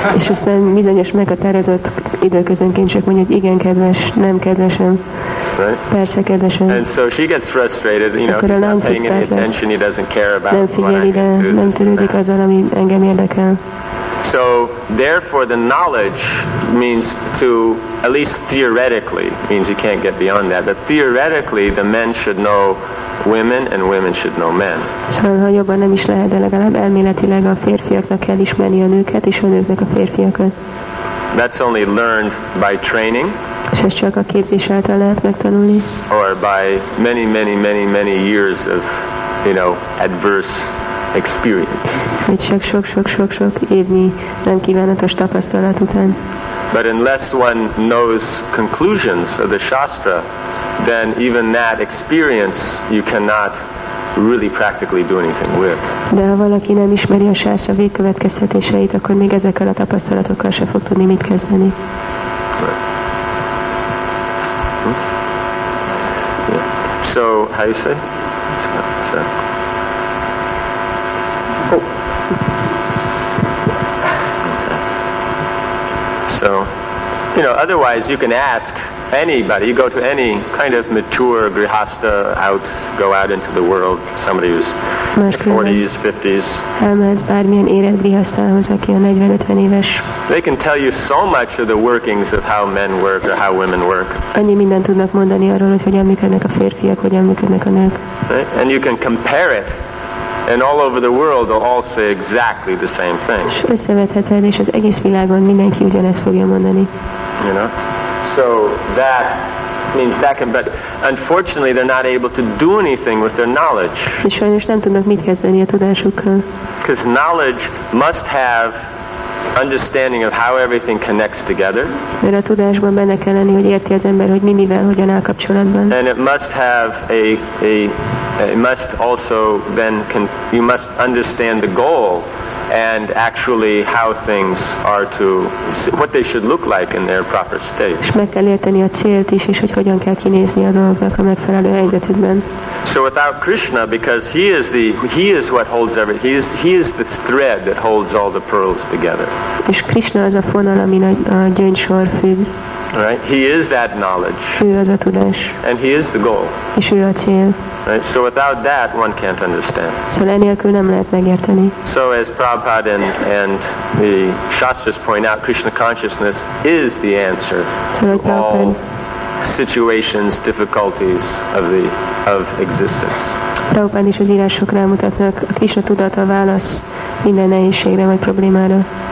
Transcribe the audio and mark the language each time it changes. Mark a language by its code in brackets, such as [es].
[hu] És aztán bizonyos meghatározott időközönként csak mondja, hogy igen, kedves, nem, kedvesem. [en] Right? [hu] Persze, kedvesem. [en] And so she gets frustrated, you know, he's not paying any attention, he doesn't care about what I'm going to do. [hu] Nem törődik azzal, ami engem érdekel. [en] So, therefore, the knowledge means to, at least theoretically, means you can't get beyond that, but theoretically, the men should know women, and women should know men. [hu] Szóval, ha jobban nem is lehet, de legalább elméletileg a férfiaknak kell ismerni a nőket, és a nőknek a férfiakat. [en] That's only learned by training. [hu] És ezt csak a képzés által lehet megtanulni. [en] Or by many, many, many, many years of, you know, adverse experience. [hu] Egy sok évnyi nem kívánatos tapasztalat után. [en] But unless one knows conclusions of the Shastra, then even that experience you cannot really practically do anything with. [hu] De ha valaki nem ismeri a Shastra végkövetkeztetéseit, akkor még ezekkel a tapasztalatokkal se fog tudni mit kezdeni. [en] So, how you say? So. So, you know, otherwise you can ask anybody. You go to any kind of mature grihasta out, go out into the world, somebody who's 40s, 50s. [hu] Elmehetsz bármilyen érett grihasztához, aki a 40-50 éves. [en] They can tell you so much of the workings of how men work or how women work. [hu] Annyi mindent tudnak mondani arról, hogy hogyan működnek a férfiak, hogyan működnek a nők. [en] And you can compare it. And all over the world, they'll all say exactly the same thing. [hu] Összevetheted, és az egész világon mindenki ugyanezt fogja mondani. [en] You know, so that means that can. But unfortunately, they're not able to do anything with their knowledge. [hu] És sajnos nem tudnak mit kezdeni a tudásukkal. [en] Because knowledge must have understanding of how everything connects together. [hu] Mert a tudásban benne kell lenni, hogy érti az ember, hogy mi mivel hogyan áll kapcsolatban. [en] And it must have a it must also then can you must understand the goal and actually how things are to what they should look like in their proper state. [hu] És meg kell érteni a célt is, és hogy hogyan kell kinézni a dolgoknak a megfelelő helyzetükben. [en] So without Krishna, because he is what holds everything, he is the thread that holds all the pearls together. [hu] És Krishna az a fonal, amin a gyöngysor függ. [en] Right, he is that knowledge. [hu] Ő az a tudás. [en] And he is the goal. [hu] És ő a cél. [en] Right, so without that, one can't understand. [hu] Szóval enélkül nem lehet megérteni. [en] So as Prabhupada and the Shastras point out, Krishna consciousness is the answer to all situations, difficulties of existence. [hu] Prabhupada is az írásokra mutatnak, a Krishna tudat a válasz minden nehézségre vagy problémára.